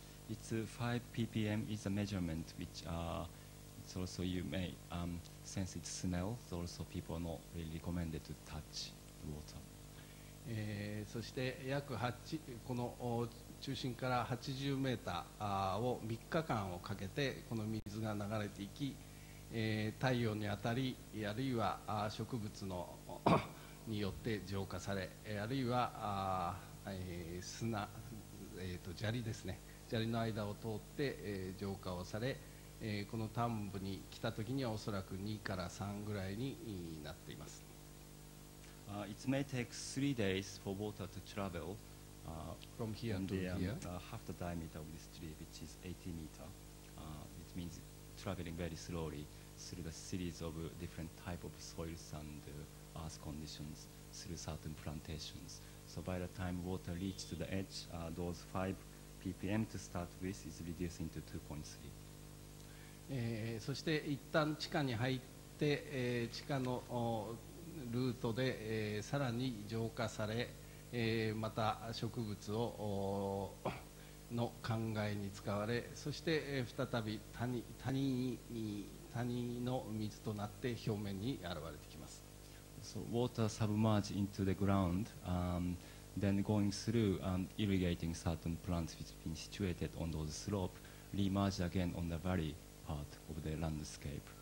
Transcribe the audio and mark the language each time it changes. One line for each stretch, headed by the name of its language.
English: It's 5ppm is a measurement which it's also you may sense its smell, so also people are not really recommended to touch the water.
Japanese: そして約8、この中心から80メーターを3日間をかけてこの水が流れていき、太陽に当たり、あるいは植物のによって浄化され、あるいは砂、砂利ですね、砂利の間を通って浄化をされ、この田んぼに来た時にはおそらく2から3ぐらいになっています。
English: It may take 3 days for water to travel From here to here, half the diameter of this tree, which is 80 meter, it means traveling very slowly through the series of different type of soils and earth conditions through certain plantations. So by the time water reaches the edge, those 5 ppm to start with is reduced into 2.3.
Japanese: そして一旦地下に入って、地下のルートで、さらに浄化され、また植物をの灌漑に使われ、そして再び 谷の水となって表面に現れてきます。
English: So water submerged into the ground then going through and irrigating certain plants which have been situated on those slopes re-emerged again on the valley part of the landscape